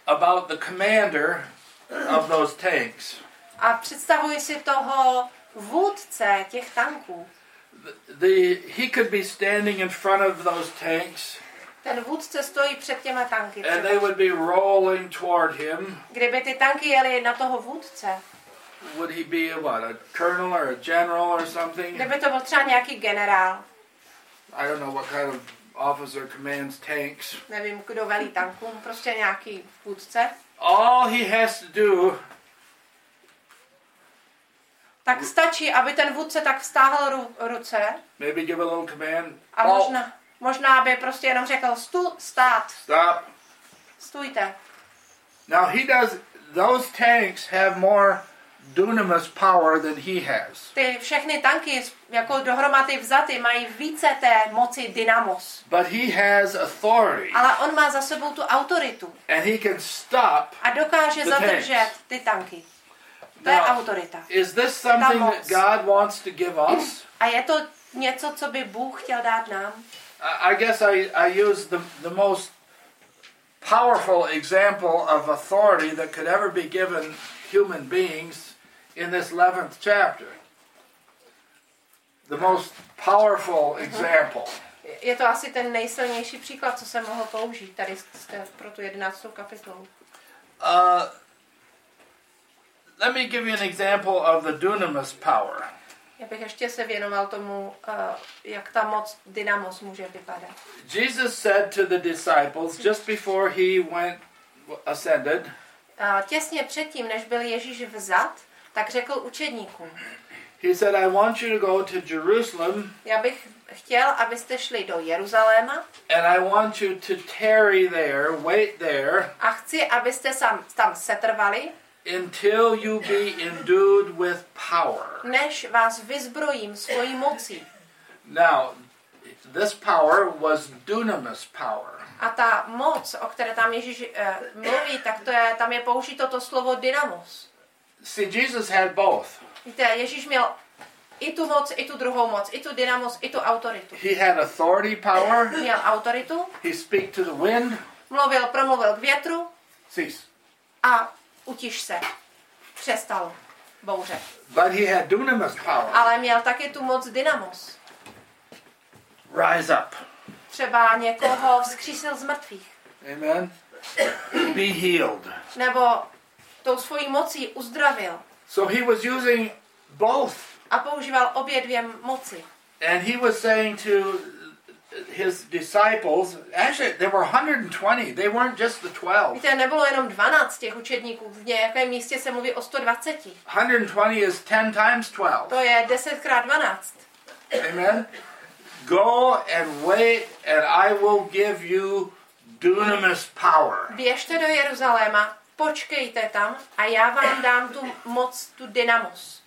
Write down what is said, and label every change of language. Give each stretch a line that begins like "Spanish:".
English: About the commander of those tanks.
Czech: A představuji si toho vůdce těch tanků.
English: he could be standing in front of those tanks.
Czech: Ten vůdce stojí před těma tanky.
English: And they would be rolling toward him.
Czech: Kdyby ty tanky jeli na toho vůdce.
English: Would he be a colonel or a general or something?
Czech: Kdyby to byl třeba nějaký generál.
English: I don't know what kind of officer commands tanks.
Czech: Nevím, kdo velí tankům, prostě nějaký vůdce.
English: All he has to do.
Czech: Tak stačí, aby ten vůdce tak vztáhl ruce.
English: Maybe give a little command.
Czech: A možná by prostě jenom řekl stát.
English: Stop.
Czech: Stůjte.
English: Now he does. Those tanks have more dunamis power than he has.
Czech: Ty všechny tanky jako dohromady vzaty mají více té moci dynamos.
English: But he has authority.
Czech: Ale on má za sebou tu autoritu.
English: And he can stop.
Czech: A dokáže zadržet ty tanky. To je autorita.
English: Is this something that God wants to give us?
Czech: A je to něco, co by Bůh chtěl dát nám?
English: I guess I use the most powerful example of authority that could ever be given human beings in this 11th chapter. The most powerful example.
Czech: Je to asi ten nejsilnější příklad, co jsem mohl použít tady pro tu 11. kapitolu.
English: Let me give you an example of the dunamis power.
Czech: Já bych ještě se věnoval tomu, jak ta moc dynamos může vypadat.
English: Jesus said to the disciples just before he went ascended.
Czech: Těsně předtím, než byl Ježíš vzat, tak řekl učedníkům.
English: He said, "I want you to go to Jerusalem."
Czech: Já bych chtěl, abyste šli do Jeruzaléma.
English: And I want you to tarry there, wait there.
Czech: A chci, abyste tam setrvali.
English: Until you be endued with power.
Czech: Než vás vyzbrojím svojí mocí.
English: Now, this power was dunamis power.
Czech: A ta moc, o které tam Ježíš mluví, tak to je, tam je použito to slovo dynamos.
English: See, Jesus had both.
Czech: Víte, Ježíš měl i tu moc, i tu druhou moc, i tu dynamos, i tu autoritu.
English: He had authority power.
Czech: Měl autoritu.
English: He speak to the wind.
Czech: Promluvil k větru.
English: Cease.
Czech: A utiš se. Přestal bouře.
English: But he had dunamis power.
Czech: Ale měl také tu moc dynamos.
English: Rise up.
Czech: Třeba někoho vzkřísil z mrtvých.
English: Amen. Be healed.
Czech: Nebo tou svojí mocí uzdravil.
English: So he was using both.
Czech: A používal obě dvě moci.
English: And he was saying to his disciples, actually there were 120, they weren't just the 12.
Czech: Víte, nebylo jenom 12 těch učedníků, v nějakém místě se mluví o 120.
English: 120 is 10 times 12.
Czech: To je 10x 12.
English: Amen. Go and wait and I will give you dunamis power.
Czech: Běžte do Jeruzaléma, počkejte tam a já vám dám tu moc, tu dynamos.